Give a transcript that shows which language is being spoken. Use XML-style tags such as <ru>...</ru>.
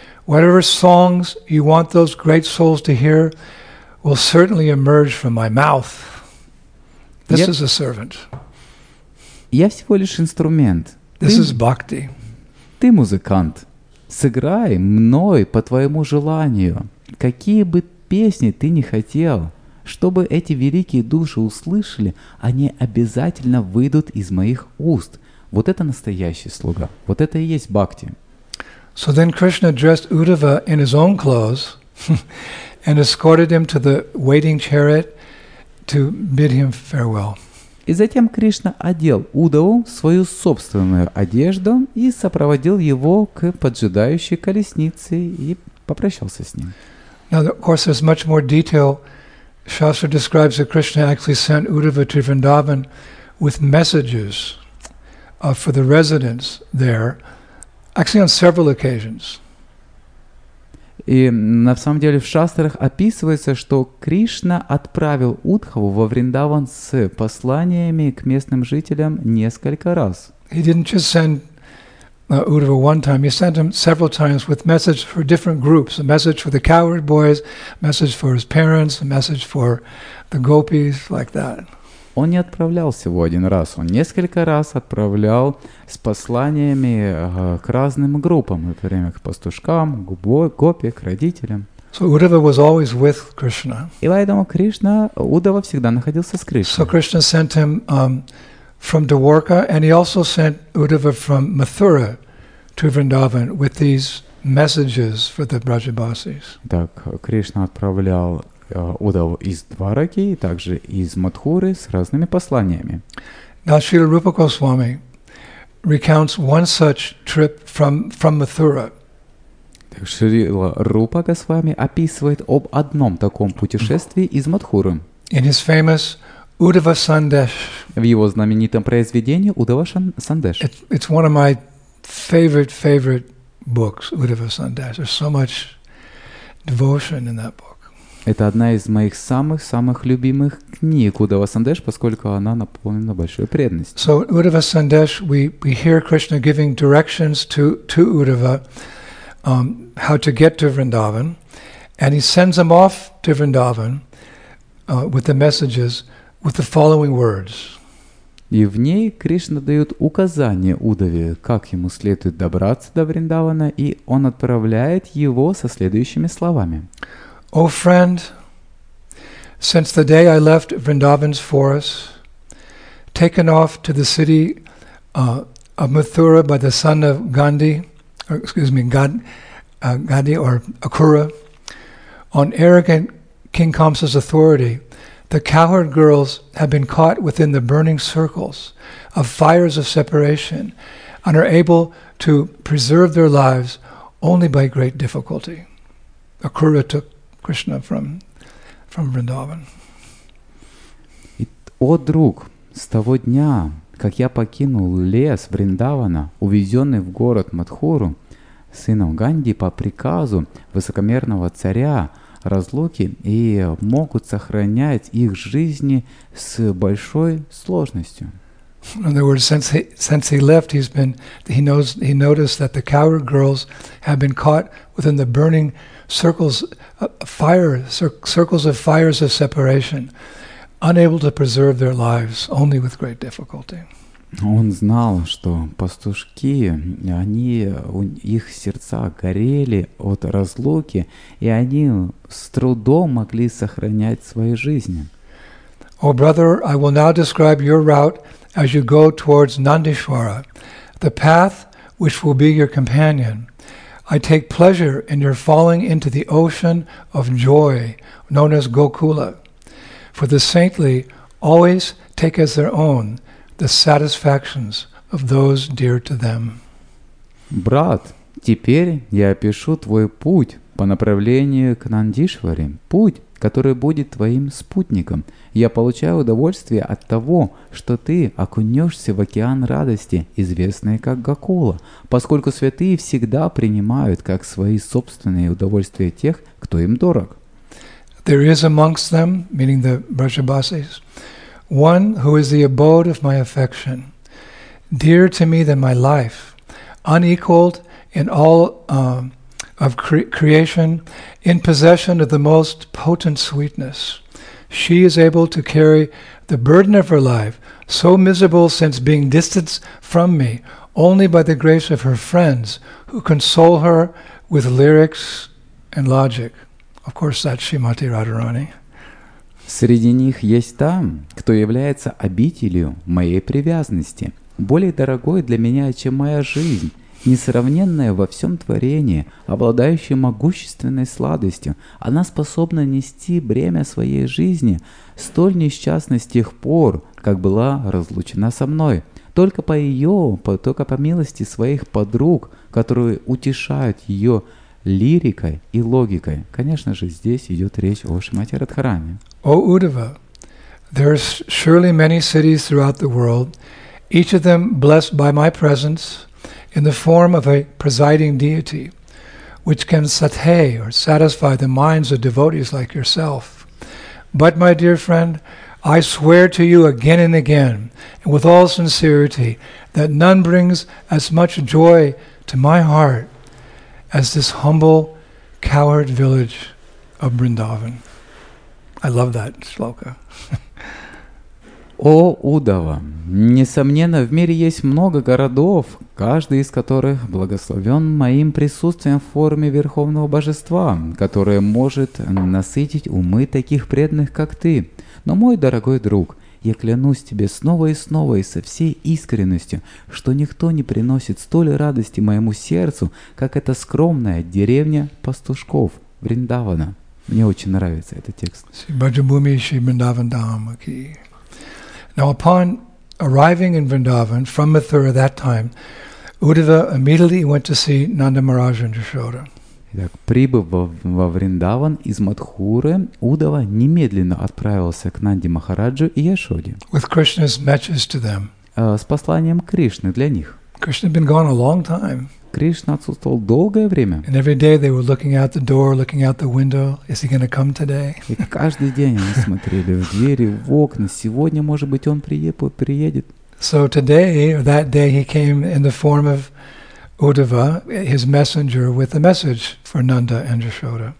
<en>Whatever songs you want those great souls to hear will certainly emerge from my mouth. This is a servant.</en> <ru>Я всего лишь инструмент.</ru> <en>This is bhakti.</en> <ru>Ты музыкант. Сыграй мной по твоему желанию. Какие бы песни ты ни хотел, чтобы эти великие души услышали, они обязательно выйдут из моих уст. Вот это настоящий слуга. Вот это и есть бхакти.</ru> <en>So then Krishna dressed Uddhava in his own clothes and escorted him to the waiting chariot to bid him farewell.</en> <ru>И затем Кришна одел Удаву в свою собственную одежду и сопроводил его к поджидающей колеснице и попрощался с ним.</ru> <en>Now, of course, there's much more detail. Shastra describes that Krishna actually sent Uddhava to Vrindavan with messages for the residents there. Actually, on several occasions.</en> <ru>И на самом деле в шастрах описывается, что Кришна отправил Удхаву во Вриндаван с посланиями к местным жителям несколько раз.</ru> <en>He didn't just send Uddhava one time. He sent him several times with messages for different groups: a message for the cowherd boys, a message for his parents, a message for the gopis, like that.</en> <ru>Он не отправлял всего один раз, он несколько раз отправлял с посланиями к разным группам, например, к пастушкам, к гопи, к родителям.</ru> <en>So Uddhava was always with Krishna.</en> <ru>И поэтому Кришна, Удава всегда находился с Кришной.</ru> <en>So Krishna sent him from Dwarka, and he also sent Uddhava from Mathura to Vrindavan with these messages for the Brajabasis.</en> <ru>Так, Кришна отправлял Удаву из Двараки и также из Мадхуры с разными посланиями.</ru> <en>Now Srila Rupa Goswami recounts one such trip from Mathura.</en> <ru>Так Шрила Рупа Госвами описывает об одном таком путешествии из Мадхуры.</ru> <en>In his famous Uddhava Sandesh.</en> <ru>В его знаменитом произведении Удава Сандеш.</ru> <en>It's one of my favorite books, Uddhava Sandesh. There's so much devotion in that book.</en> <ru>Это одна из моих самых-самых любимых книг Удава Сандеш, поскольку она наполнена большой преданностью.</ru> <en>So in Uddhava Sandesh we hear Krishna giving directions to Uddhava how to get to Vrindavan, and he sends him off to Vrindavan with the messages with the following words.</en> <ru>И в ней Кришна дает указание Удаве, как ему следует добраться до Вриндавана, и он отправляет его со следующими словами.</ru> <en>O friend, since the day I left Vrindavan's forest, taken off to the city of Mathura by the son of Gandhi or Akura, on arrogant King Kamsa's authority, The cowherd girls have been caught within the burning circles of fires of separation and are able to preserve their lives only by great difficulty. Akura took Krishna from Vrindavan.</en> <ru>И, о друг, с того дня, как я покинул лес Вриндавана, увезенный в город Матхуру, сыном Ганди по приказу высокомерного царя, разлуки и могут сохранять их жизни с большой сложностью.</ru> <en>In other words, since he left, he noticed that the coward girls have been caught within the burning circles of fires of separation, unable to preserve their lives, only with great difficulty.</en> <ru>Он знал, что пастушки, они, их сердца горели от разлуки, и они с трудом могли сохранять свои жизни.</ru> <en>О, brother, I will now describe your route as you go towards Nandishwara, the path which will be your companion. I take pleasure in your falling into the ocean of joy, known as Gokula. For the saintly always take as their own the satisfactions of those dear to them.</en> <ru>Брат, теперь я опишу твой путь по направлению к Нандишваре, путь, который будет твоим спутником. Я получаю удовольствие от того, что ты окунешься в океан радости, известный как Гокула, поскольку святые всегда принимают как свои собственные удовольствия тех, кто им дорог.</ru> <en>There is amongst them, meaning the Vrajabasis, one who is the abode of my affection, dear to me than my life, unequaled in all of creation, in possession of the most potent sweetness. She is able to carry the burden of her life, so miserable since being distanced from me, only by the grace of her friends, who console her with lyrics and logic. Of course, that's Srimati Radharani.</en> <ru>Среди них есть та, кто является обителью моей привязанности, более дорогой для меня, чем моя жизнь, несравненная во всем творении, обладающая могущественной сладостью. Она способна нести бремя своей жизни столь несчастной с тех пор, как была разлучена со мной. Только по милости своих подруг, которые утешают ее лирикой и логикой. Конечно же, здесь идет речь о Шримати Радхарани.</ru> <en>О, Удава, there are surely many cities throughout the world, each of them blessed by my presence in the form of a presiding deity, which can satay or satisfy the minds of devotees like yourself. But, my dear friend, I swear to you again and again, and with all sincerity, that none brings as much joy to my heart as this humble, cowherd village of Vrindavan. I love that shloka.</en> <ru>О, Удава! Несомненно, в мире есть много городов, каждый из которых благословен моим присутствием в форме Верховного Божества, которое может насытить умы таких преданных, как ты. Но, мой дорогой друг, я клянусь тебе снова и снова и со всей искренностью, что никто не приносит столь радости моему сердцу, как эта скромная деревня пастушков Вриндавана. Мне очень нравится этот текст.</ru> <hi>Баджабуми Шри Вриндаван Дхамаки.</hi> <en>Now, upon arriving in Vrindavan from Mathura that time, Uddhava immediately went to see Nanda Maharaja and Yashoda.</en> <ru>Итак, прибыв во Вриндаван из Матхуры, Удава немедленно отправился к Нанде Махараджу и Яшоде.</ru> <en>With Krishna's messages to them.</en> <ru>С посланием Кришны для них.</ru> <en>Krishna had been gone a long time.</en> <ru>Кришна отсутствовал долгое время.</ru> <en>And every day they were looking out the door, looking out the window. Is he going to come today?</en> <ru>И каждый день они смотрели в двери, в окна. Сегодня, может быть, он приедет.</ru> <en>So today, or that day, he came in the form of Uddhava, his messenger, with a message for Nanda and Yashoda.</en>